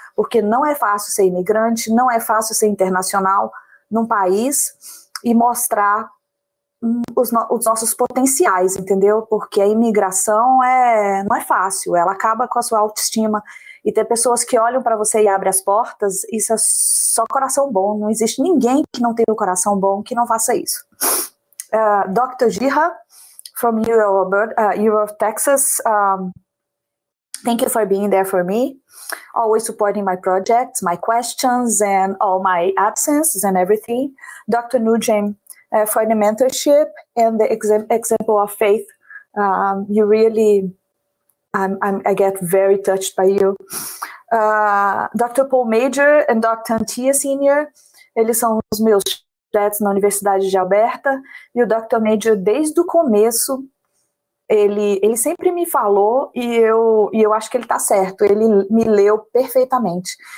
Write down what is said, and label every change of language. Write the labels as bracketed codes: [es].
[pt] Porque não é fácil ser imigrante, não é fácil ser internacional num país e mostrar os nossos potenciais, entendeu? Porque a imigração não é fácil, ela acaba com a sua autoestima, e ter pessoas que olham para você e abrem as portas, isso é só coração bom, não existe ninguém que não tenha um coração bom que não faça isso. [en] Dr. Jirra, from Europe, Texas, thank you for being there for me, always supporting my projects, my questions, and all my absences and everything. Dr. Nujem, for the mentorship and the example of faith, you really, I get very touched by you. Dr. Paul Major and Dr. [pt] Antia Senior, eles são os meus chefes na Universidade de Alberta, e o Dr. Major, desde o começo, ele sempre me falou, e eu acho que ele está certo, ele me leu perfeitamente.